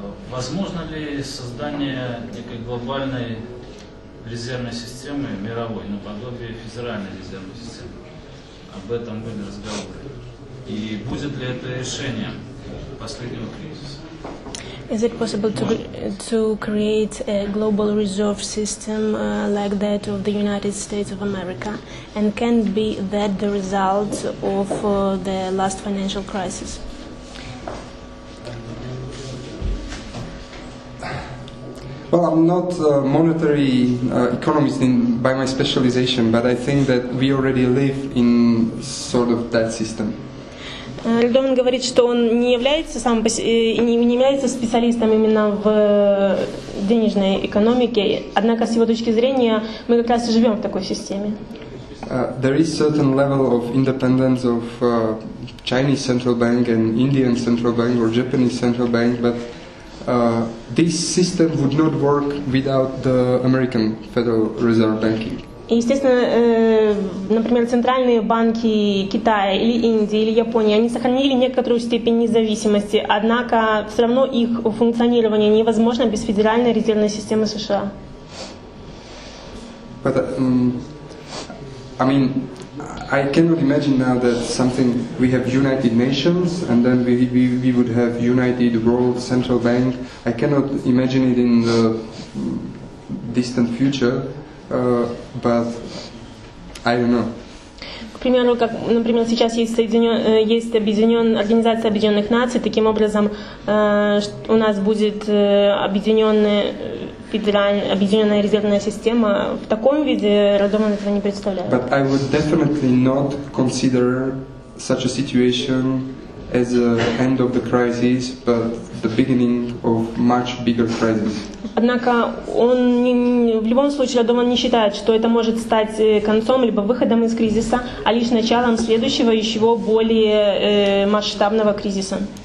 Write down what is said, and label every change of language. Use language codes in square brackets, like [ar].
[ru] Возможно ли создание некой глобальной резервной системы, мировой, наподобие федеральной резервной системы? Об этом были разговоры. И будет ли это решением последнего кризиса? [en] Is it possible to create a global reserve system like that of the United States of America? And can be that the result of the last financial crisis? Well, I'm not a monetary economist by my specialization, but I think that we already live in sort of that system. [ru] Радован говорит, что он не является не является специалистом именно в денежной экономике, однако с его точки зрения мы как раз и живем в такой системе. [en] There is certain level of independence of Chinese Central Bank and Indian Central Bank or Japanese Central Bank, but this system would not work without the American Federal Reserve Banking. [ru] Естественно, например, центральные банки Китая или Индии или Японии, они сохранили некоторую степень независимости, однако все равно их функционирование невозможно без Федеральной резервной системы США. [en] But, I mean, I cannot imagine now that something we have United Nations and then we would have United World Central Bank. I cannot imagine it in the distant future. But I don't know. [ru] К примеру, как, например, сейчас есть Организация Объединенных Наций. Таким образом, у нас будет объединенная резервная система. В таком виде Радован этого не представляет. [en] But I would definitely not consider such a situation as the end of the crisis, but the beginning of much bigger crisis. [ru] Однако он в любом случае, Радован не считает, что это может стать концом либо выходом из кризиса, а лишь началом следующего еще более масштабного кризиса.